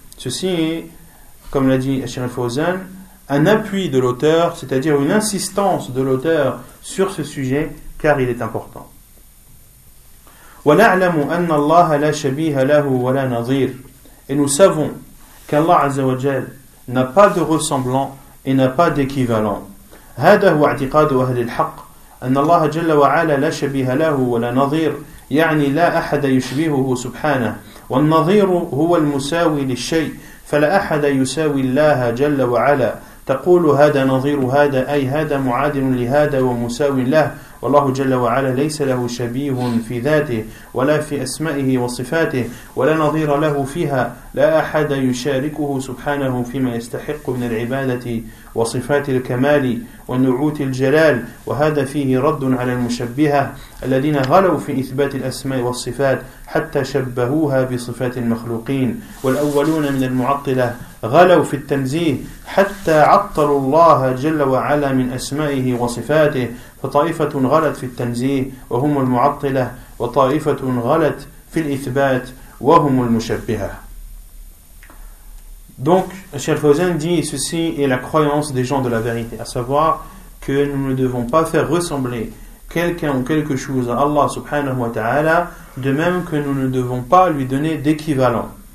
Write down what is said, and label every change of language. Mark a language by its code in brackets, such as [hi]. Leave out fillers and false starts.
[fr] Ceci est, comme l'a dit Cheikh Fawzan, un appui de l'auteur, c'est-à-dire une insistance de l'auteur sur ce sujet, car il est important. [ar] وَنَعْلَمُ أَنَّ اللَّهَ لَا شَبِيهَ لَهُ وَلَا نَظِيرُ. [fr] Et nous savons qu'Allah Azza wa Jal n'a pas de ressemblant et n'a pas d'équivalent. [ar] هذا هو اعتقاد أهل الحق أن الله جل وعلا لا شبيه له ولا نظير يعني لا أحد يشبهه سبحانه والنظير هو المساوي للشيء فلا أحد يساوي الله جل وعلا تقول هذا نظير هذا أي هذا معادل لهذا ومساوي له والله جل وعلا ليس له شبيه في ذاته ولا في أسمائه وصفاته ولا نظير له فيها لا أحد يشاركه سبحانه فيما يستحق من العبادة وصفات الكمال ونعوت الجلال، وهذا فيه رد على المشبهة الذين غلوا في إثبات الأسماء والصفات حتى شبهوها بصفات المخلوقين. والأولون من المعطلة غلوا في التنزيه حتى عطلوا الله جل وعلا من أسمائه وصفاته، فطائفة غلت في التنزيه وهم المعطلة، وطائفة غلت في الإثبات وهم المشبهة. [fr] Donc, Cheikh Fawzan dit, ceci est la croyance des gens de la vérité, à savoir que nous ne devons pas faire ressembler quelqu'un ou quelque chose à Allah subhanahu wa ta'ala, de même que nous ne devons pas lui donner d'équivalent.